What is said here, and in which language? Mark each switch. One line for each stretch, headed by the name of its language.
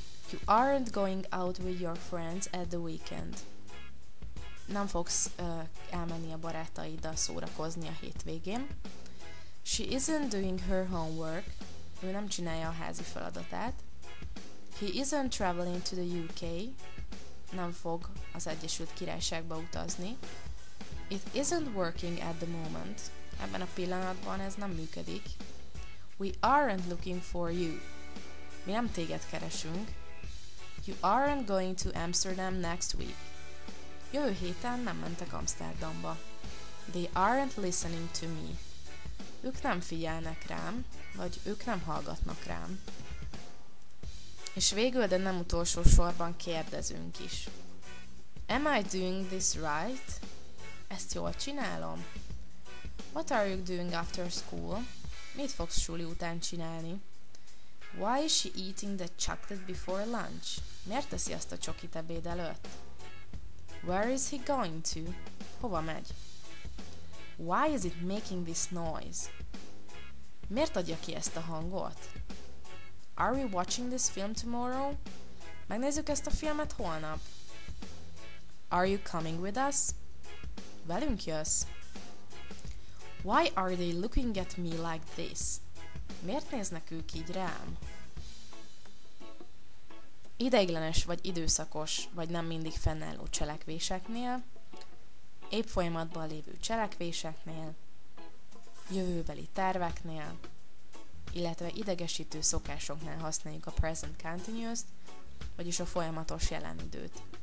English: You aren't going out with your friends at the weekend.
Hungarian: Nem fogsz elmenni a barátaiddal szórakozni a hétvégén.
English: She isn't doing her homework.
Hungarian: Ő nem csinálja a házi feladatát.
English: He isn't traveling to the UK.
Hungarian: Nem fog az Egyesült Királyságba utazni.
English: It isn't working at the moment.
Hungarian: Ebben a pillanatban ez nem működik.
English: We aren't looking for you.
Hungarian: Mi nem téged keresünk.
English: You aren't going to Amsterdam next week.
Hungarian: Jövő héten nem mentek Amsterdamba.
English: They aren't listening to me.
Hungarian: Ők nem figyelnek rám, vagy ők nem hallgatnak rám. És végül, de nem utolsó sorban kérdezünk is.
English: Am I doing this right?
Hungarian: Ezt jól csinálom?
English: What are you doing after school?
Hungarian: Mit fogsz suli után csinálni?
English: Why is she eating the chocolate before lunch?
Hungarian: Miért teszi azt a csokit ebéd előtt?
English: Where is he going to?
Hungarian: Hova megy?
English: Why is it making this noise?
Hungarian: Miért adja ki ezt a hangot?
English: Are we watching this film tomorrow?
Hungarian: Megnézzük ezt a filmet holnap.
English: Are you coming with us?
Hungarian: Velünk jössz.
English: Why are they looking at me like this?
Hungarian: Miért néznek ők így rám? Ideiglenes vagy időszakos, vagy nem mindig fennálló cselekvéseknél, épp folyamatban lévő cselekvéseknél, jövőbeli terveknél, illetve idegesítő szokásoknál használjuk a present continuous-t, vagyis a folyamatos jelen időt.